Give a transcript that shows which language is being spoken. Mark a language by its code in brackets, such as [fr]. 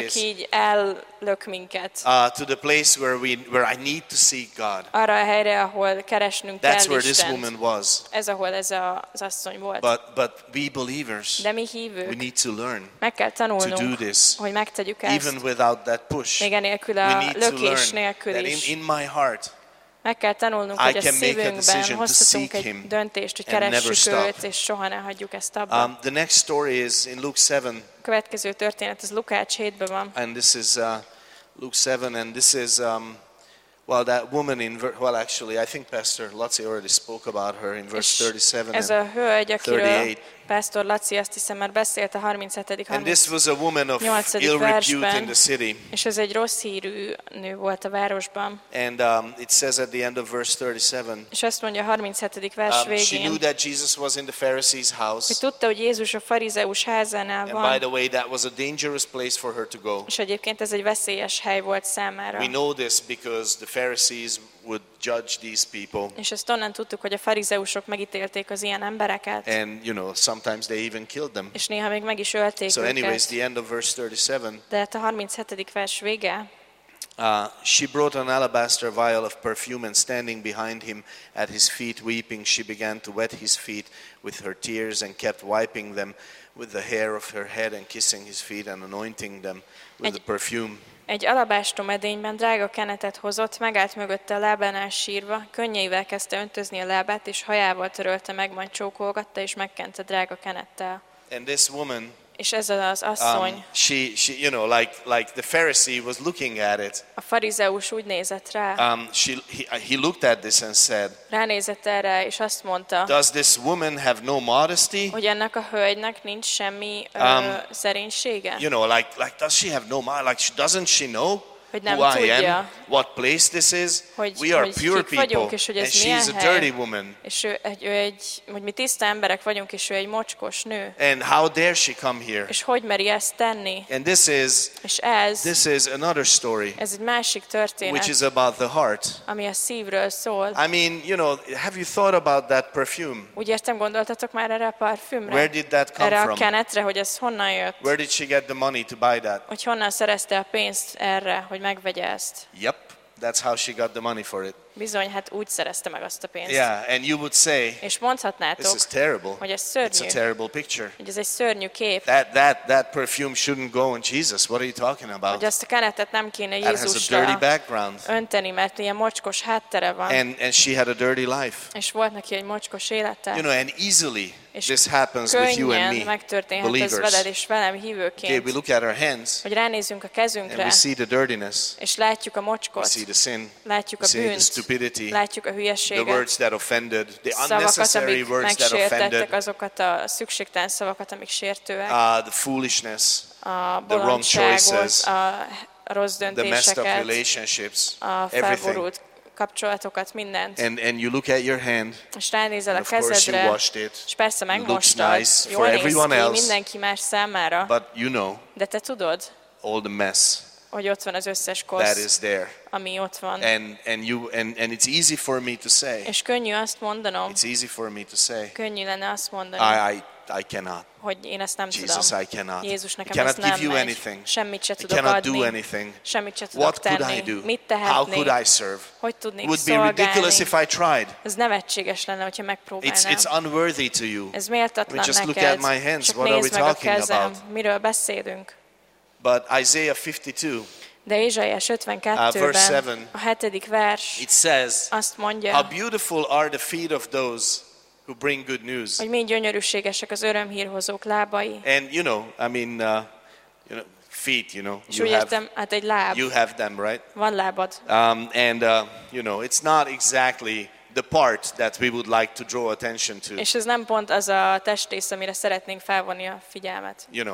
[hu] Amit csak így ellök minket. [en] To the place where I need to see God. [hu] Arra a helyre, ahol keresnünk [en] That's [hu] kell [en] where [hu] Istent. [en] This woman was. [hu] Ez ahol ez az asszony volt. [en] But we believers. [hu] De mi hívők. [en] We need to learn. [hu] Meg kell tanulnunk. [en] To do this. [hu] Hogy megtegyük ezt. [en] Even without that push. [hu] Még enélkül a lökés nélkül is. [en] In my heart. [hu] Meg kell tanulnunk, hogy a szívünkben hozhatunk egy döntést, hogy keressük őt, és soha ne hagyjuk ezt abba. [en] The next story is in Luke 7. [hu] Következő történet az Lukács 7-ben van. [en] And this is Luke 7, and this is well, that woman in well, actually, I think Pastor Laci already spoke about her in verse 37 [hu] ez a hölgy, akiről Pastor Laci azt hiszem már beszélt a 37. [en] And this was a woman of ill repute in the city. [hu] És ez egy rossz hírű nő volt a városban. [en] And it says at the end of verse 37. [hu] És azt mondja a 37. vers végén. [en] She knew that Jesus was in the Pharisee's house. [hu] Hogy tudta, hogy Jézus a farizeus házánál van. [en] And by the way, that was a dangerous place for her to go. [hu] És egyébként ez egy veszélyes hely volt számára. [en] We know this because the Pharisees would judge these people. [hu] És ezt onnan tudtuk, hogy a farizeusok megítélték az ilyen embereket. [en] And you know, sometimes they even killed them. [hu] És néha még meg is ölték [en] őket. So anyways, the end of verse 37. [hu] De hát a 37. vers vége. [en] She brought an alabaster vial of perfume and standing behind him at his feet weeping, she began to wet his feet with her tears and kept wiping them with the hair of her head and kissing his feet and anointing them with the perfume. [hu] Egy alabástrom edényben drága kenetet hozott, megállt mögötte a lábánál sírva, könnyeivel kezdte öntözni a lábát, és hajával törölte meg, majd csókolgatta, és megkente drága kenettel. [en] And this woman, [hu] és ez az asszony, [en] she, you know, like the Pharisee was looking at it. [hu] A farizeus úgy nézett rá. [en] He looked at this and said, [hu] ránézett erre, és azt mondta, [en] does this woman have no modesty? [hu] Hogy ennek a hölgynek nincs semmi szerénysége? [en] You know, like does she have no modesty? Like, doesn't she know? [hu] hogy nem tudja, [en] what place this is, [hu] hogy, [en] we are pure people, [hu] vagyunk, és hogy ez [en] and she's a dirty woman. [hu] És ő egy, hogy mi tiszta emberek vagyunk, és ő egy mocskos nő. [en] And how dare she come here? [hu] És hogy meri ezt tenni? [en] And this is, [hu] és ez, [en] this is another story, [hu] ez egy másik történet, [en] which is about the heart. [hu] Ami a szívről szól. [en] I mean, you know, have you thought about that perfume? [hu] Úgy értem, gondoltatok már erre a parfümre? [en] Where did that come [hu] erre [en] from? [hu] Erre a kenetre, hogy ez honnan jött? [en] Where did she get the money to buy that? [hu] Hogy honnan szerezte a pénzt erre, hogy megvegye ezt? [en] Yep, that's how she got the money for it. [hu] Bizony, hát úgy szerezte meg azt a pénzt. [en] Yeah, and you would say, [hu] és mondhatnátok, [en] this is terrible. [hu] Hogy ez szörnyű. [en] It's a terrible picture. [hu] Hogy ez egy szörnyű kép. [en] That perfume shouldn't go on Jesus. What are you talking about? [hu] Hogy ezt a kenetet nem kéne Jézusra. [en] That has a dirty background. [hu] Önteni, mert ilyen mocskos háttere van. [en] And she had a dirty life. [hu] És volt neki egy mocskos élete. [en] You know, and easily this happens with you and me, [hu] megtörténhet [en] believers. [hu] Ez veled és velem, hívőként. [en] Okay, we look at our hands, [hu] hogy ránézünk a kezünkre, [en] and we see the dirtiness. [hu] És látjuk a mocskot. [en] We see the sin. [hu] Látjuk a bűnt. [en] Stupidity, [hu] látjuk a hülyeséget, [en] the words that offended, the unnecessary words that offended, [hu] azokat a szükségtelen szavakat, amik sértőek, [en] the foolishness, [hu] a [en] the wrong choices, [hu] a rossz döntéseket, [en] the messed up relationships, [hu] a felborult kapcsolatokat, mindent. [en] And you look at your hand, [hu] és ránézel a kezedre, és persze megmostad, [en] nice [hu] jól néz ki [en] else, [hu] mindenki más számára, [en] but you know, [hu] de te tudod, [en] all the mess, [hu] hogy ott van az összes kosz, ami ott van. [en] And it's easy for me to say. [hu] És könnyű azt mondanom. [en] It's easy for me to say. [hu] Könnyű lenne azt mondani. [en] I cannot. [hu] Hogy én ezt nem [en] Jesus, [hu] tudom. [en] I cannot. [hu] Jézus, nekem [en] cannot [hu] ezt nem [en] give you anything. [hu] Semmit se tudok [en] I cannot [hu] adni. [en] Do anything. [hu] Semmit se tudok [en] what [hu] tenni. [en] Could I do? [hu] Mit tehetnék? [en] How could I serve? [hu] Hogy tudnék [en] would [hu] szolgálni? [en] Be ridiculous if I tried. [hu] Ez nevetséges lenne, hogyha megpróbálnám. [en] It's unworthy to you. [hu] Ez méltatlan [en] neked. Just look [hu] neked. [en] At my hands. [hu] Csak [en] what are we talking about? [hu] Miről beszélünk? [en] But Isaiah 52. [hu] De Ézsaiás 52-ben a hetedik vers, [en] it says, [hu] azt mondja, [en] how beautiful are the feet of those who bring good news. [hu] Hogy mi gyönyörűségesek az örömhírhozók lábai. [en] And you know, I mean, you know, feet, you know. [hu] És úgy értem, hát egy láb. [en] You have them, right? [hu] Van lábad. [en] And you know, it's not exactly the part that we would like to draw attention to. [hu] És ez nem pont az a testrész, amire szeretnénk felvonni a figyelmet.